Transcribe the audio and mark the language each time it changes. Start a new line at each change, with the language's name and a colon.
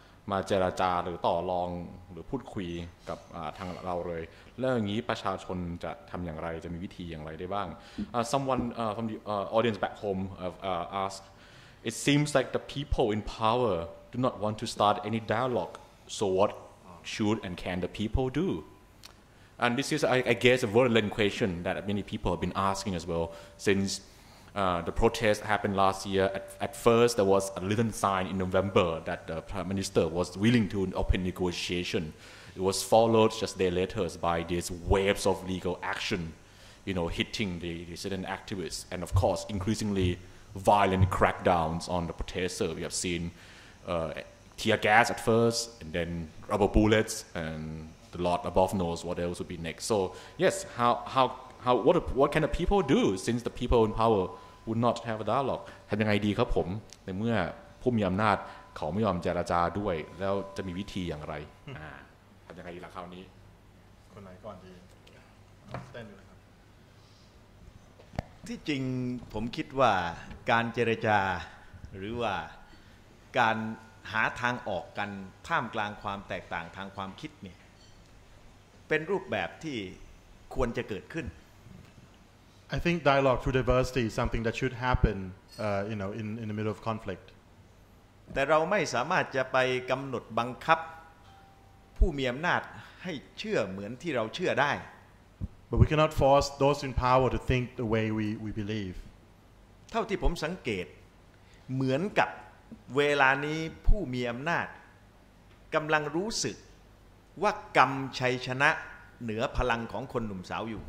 Thai: มาเจรจาหรือต่อรองหรือพูดคุยกับทางเราเลยแล้วอย่างนี้ประชาชนจะทำอย่างไรจะมีวิธีอย่างไรได้บ้าง
English: someone from the audience back home asked it seems like the people in power do not want to start any dialogue so what should and can the people do and this is I guess a valid question that many people have been asking as well sincethe protest happened last year. At first, there was a little sign in November that the Prime Minister was willing to open negotiation. It was followed just day later by these waves of legal action, you know, hitting the certain activists. And of course, increasingly violent crackdowns on the protesters. We have seen tear gas at first, and then rubber bullets, and the Lord above knows what else would be next. So yes, what can the people do since the people in power would not have a dialogue
Thai: ทำยังไงดีครับผมในเมื่อผู้มีอำนาจเขาไม่ยอมเจรจาด้วยแล้วจะมีวิธีอย่างไรทำยังไงล่ะคราวนี้คนไหนก่อนดีเต้นครับ ที่จริงผมคิดว่าการเจรจาหรือว่าการหาทางออกกันท่ามกลางความแตกต่างทางความคิดเนี่ยเป็นรูปแบบที่ควรจะเกิดขึ้น
English: I think dialogue through diversity is something that should happen in the middle of conflict
Thai: แต่เราไม่สามารถจะไปกำหนดบังคับผู้มีอำนาจให้เชื่อเหมือนที่เราเชื่อได้
English: But we cannot force those in power to think the way we believe
Thai: เท่าที่ผมสังเกตเหมือนกับเวลานี้ผู้มีอำนาจกำลังรู้สึกว่ากรรมชัยชนะเหนือพลังของคนหนุ่มสาวอยู